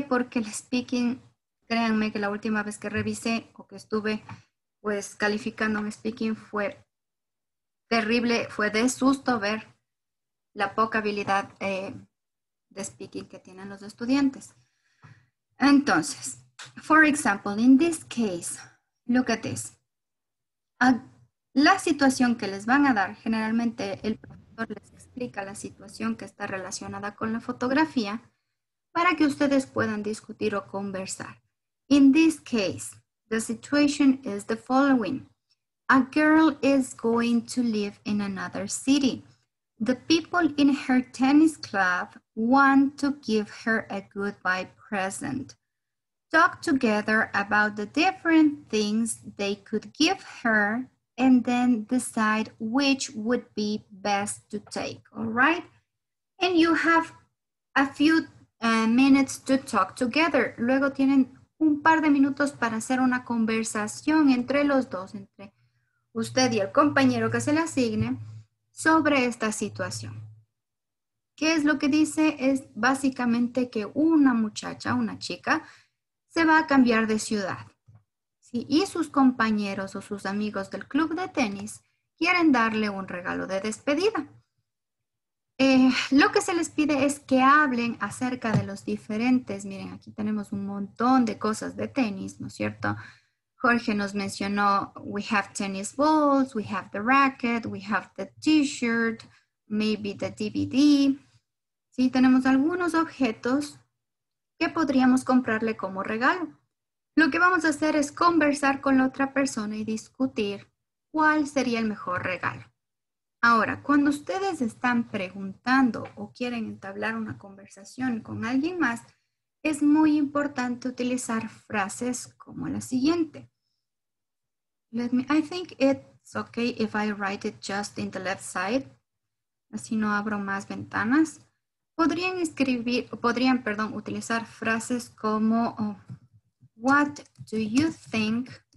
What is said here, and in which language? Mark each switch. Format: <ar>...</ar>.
<es>Porque el speaking, créanme que la última vez que revisé o que estuve pues calificando un speaking fue terrible, fue de susto ver la poca habilidad de speaking que tienen los estudiantes. Entonces,</es> <en>for example, in this case, look at this.</en> <es>La situación que les van a dar, generalmente el profesor les explica la situación que está relacionada con la fotografía para que ustedes puedan discutir o conversar.</es> <en>In this case, the situation is the following. A girl is going to live in another city. The people in her tennis club want to give her a goodbye present. Talk together about the different things they could give her and then decide which would be best to take, all right? And you have a few minutes to talk together.</en> <es>Luego tienen un par de minutos para hacer una conversación entre los dos, entre usted y el compañero que se le asigne, sobre esta situación. ¿Qué es lo que dice? Es básicamente que una muchacha, una chica, se va a cambiar de ciudad, ¿sí? Y sus compañeros o sus amigos del club de tenis quieren darle un regalo de despedida. Lo que se les pide es que hablen acerca de los diferentes, miren, aquí tenemos un montón de cosas de tenis, ¿no es cierto? Jorge nos mencionó,</es> <en>we have tennis balls, we have the racket, we have the t-shirt, maybe the DVD.</en> <es>Sí, tenemos algunos objetos que podríamos comprarle como regalo. Lo que vamos a hacer es conversar con la otra persona y discutir cuál sería el mejor regalo. Ahora, cuando ustedes están preguntando o quieren entablar una conversación con alguien más, es muy importante utilizar frases como la siguiente.</es> <en>I think it's okay if I write it just in the left side.</en> <es>Así no abro más ventanas. Podrían escribir, utilizar frases como</es> <en>what do you think?</en>